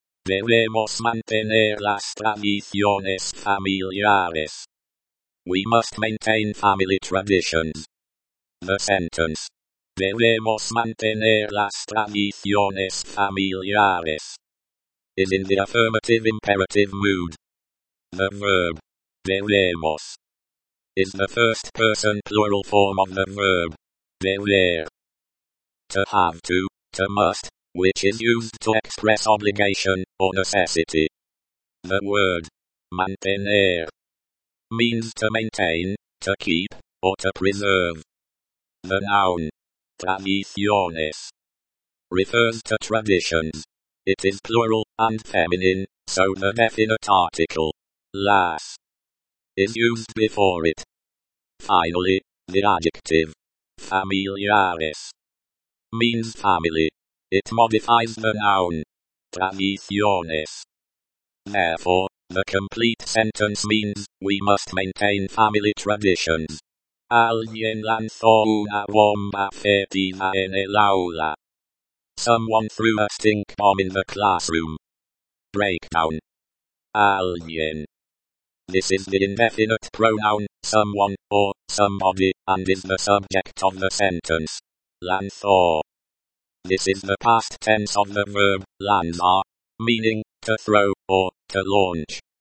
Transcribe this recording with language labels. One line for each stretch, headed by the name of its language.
Spanish: Debemos mantener las tradiciones familiares.
English: We must maintain family traditions. The sentence.
Spanish: Debemos mantener las tradiciones familiares.
English: Is in the affirmative imperative mood. The verb. Debemos. Is the first person plural form of the verb. Deber. To have to must, which is used to express obligation or necessity. The word mantener means to maintain, to keep, or to preserve. The noun tradiciones refers to traditions. It is plural and feminine, so the definite article las is used before it. Finally, the adjective familiares means family. It modifies the noun, tradiciones. Therefore, the complete sentence means, we must maintain family traditions.
Spanish: Alguien lanzó una bomba fétida en el aula.
English: Someone threw a stink bomb in the classroom. Breakdown. Alguien. This is the indefinite pronoun, someone, or somebody, and is the subject of the sentence. Lanzó. This is the past tense of the verb, lanzar, meaning, to throw, or, to launch.